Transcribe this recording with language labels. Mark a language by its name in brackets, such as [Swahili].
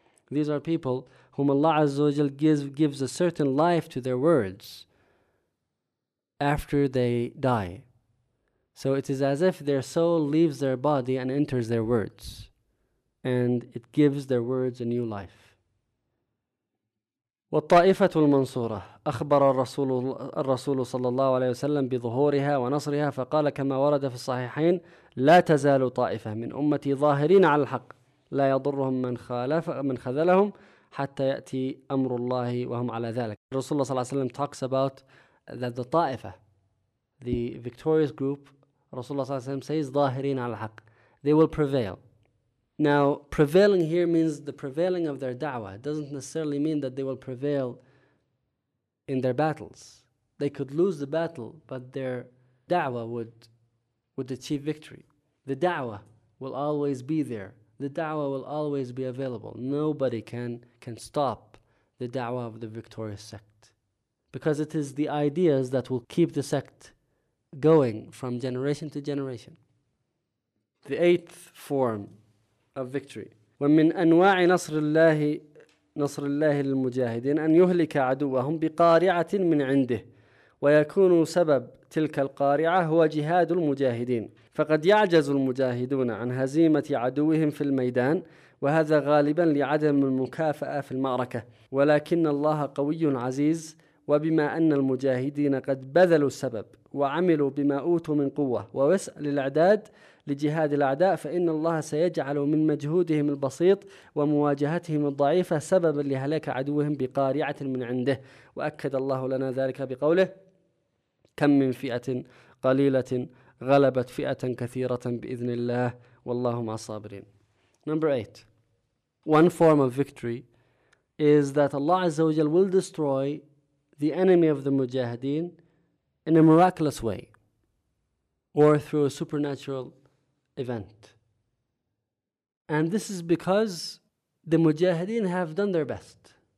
[English] These are people whom Allah Azza wa Jal gives a certain life to their words after they die. So it is as if their soul leaves their body and enters their words, and it gives their words a new life. [Arabic] والطائفة المنصورة أخبر الرسول صلى الله عليه وسلم بظهورها ونصرها فقال كما ورد في الصحيحين لا تزال طائفة من أمتي ظاهرين على الحق لا يضرهم من خذلهم حتى يأتي أمر الله وهم على ذلك. الرسول صلى الله عليه وسلم [English] talks about that the [Arabic] طائفة, [English] the victorious group, [Arabic] رسول الله صلى الله عليه وسلم says ظاهرين على الحق, [English] they will prevail. Now, prevailing here means the prevailing of their da'wah. It doesn't necessarily mean that they will prevail in their battles. They could lose the battle, but their da'wah would achieve victory. The da'wah will always be there. The da'wah will always be available. Nobody can stop the da'wah of the victorious sect, because it is the ideas that will keep the sect going from generation to generation. The eighth form of victory. [Arabic] ومن أنواع نصر الله للمجاهدين أن يهلك عدوهم بقارعة من عنده ويكون سبب تلك القارعة هو جهاد المجاهدين فقد يعجز المجاهدون عن هزيمة عدوهم في الميدان وهذا غالبا لعدم المكافأة في المعركة ولكن الله قوي عزيز وبما أن المجاهدين قد بذلوا السبب وعملوا بما أوتوا من قوة ووسع للأعداد لجهاد الأعداء فإن الله سيجعل من مجهودهم البسيط ومواجهتهم الضعيفة سببا لهلاك عدوهم بقارعة من عنده وأكد الله لنا ذلك بقوله كم من فئة قليلة غلبت فئة كثيرة بإذن الله والله مع الصابرين. [English] Number 8. One form of victory is that Allah عز وجل will destroy the enemy of the mujahideen in a miraculous way or through a supernatural event. And this is because the mujahideen have done their best.